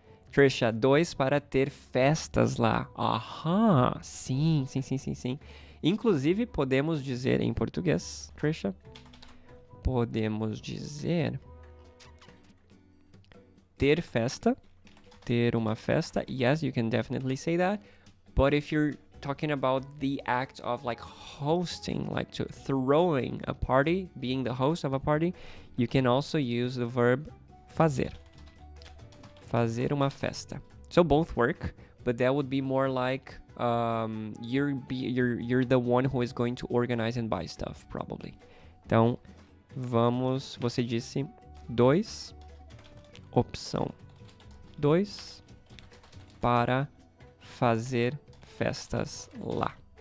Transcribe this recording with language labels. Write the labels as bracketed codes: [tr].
[pt] Trisha, 2 para ter festas lá. Aham, sim. Inclusive, podemos dizer em português, Trisha, podemos dizer ter festa, ter uma festa. [en] Yes, you can definitely say that. But if you're talking about the act of like hosting, like to throwing a party, being the host of a party, you can also use the verb fazer. [pt] Fazer uma festa. [en] So both work, but that would be more like you're the one who is going to organize and buy stuff, probably. [pt] Então, vamos, você disse 2, opção 2, para fazer festas lá.